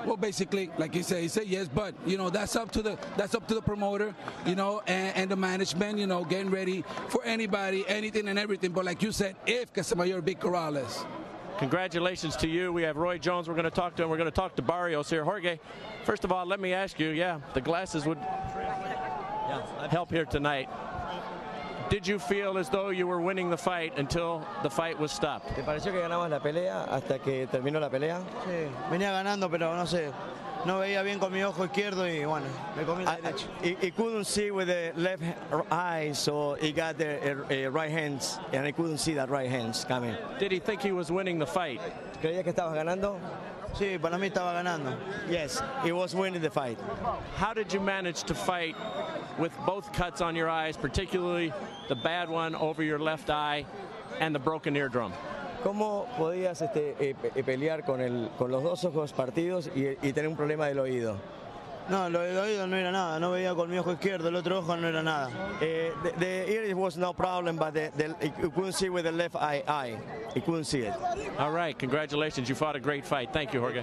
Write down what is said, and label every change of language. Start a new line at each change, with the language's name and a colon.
English: Well, basically, like he said yes, but, you know, that's up to the promoter, you know, and the management, you know, getting ready for anybody, anything and everything, but like you said, if Casamayor beat Corrales. Congratulations to you. We have Roy Jones we're going to talk to, and we're going to talk to Barrios here. Jorge, first of all, let me ask you, yeah, the glasses would help here tonight. Did you feel as though you were winning the fight until the fight was stopped?
Spanish: ¿Te pareció que ganabas la pelea hasta que terminó la pelea? Sí, venía ganando, pero no sé. no veía bien con mi ojo izquierdo y bueno, me comí la derecha.
English: He couldn't see with the left eye, so he got the right hands, and I couldn't see that right hands coming. Did he think he was winning the fight?
Spanish: ¿Creía que estaba ganando? Sí, para mí estaba ganando.
English: Yes, he was winning the fight. How did you manage to fight with both cuts on your eyes, particularly the bad one over your left eye and the broken eardrum?
Spanish: ¿Cómo podías pelear con los dos ojos partidos y tener un problema del oído? No, lo del oído no era nada. No veía con mi ojo izquierdo, el otro ojo no era nada.
English: The ear was no problem, but you couldn't see with the left eye. You couldn't see it. All right, congratulations. You fought a great fight. Thank you, Jorge.